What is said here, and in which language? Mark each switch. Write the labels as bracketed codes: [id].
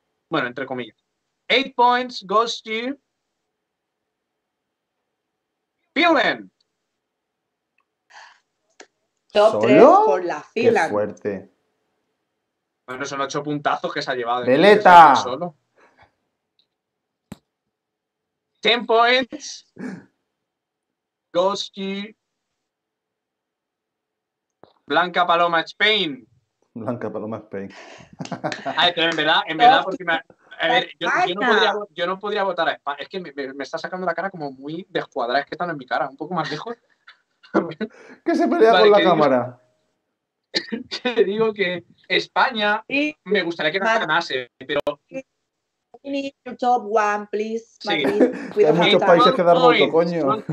[es] Bueno, entre comillas. [en] 8 points goes to Finland. [es] Top 3 por la Finland. Qué fuerte. Bueno, son 8 puntazos que se ha llevado. ¡Veleta! [en] 10 points goes to Blanca Paloma, Spain. Blanca Paloma, Spain. [es] Ay, pero en verdad, porque me... A ver, yo no podría votar a España. Es que me está sacando la cara como muy descuadrada. Es que está en mi cara, un poco más lejos. ¿Qué se pelea con la cámara? Que digo que España me gustaría que ganase, pero... [en] Need your top one, please. [es] Sí. Madrid, hay muchos países que dar voto, coño.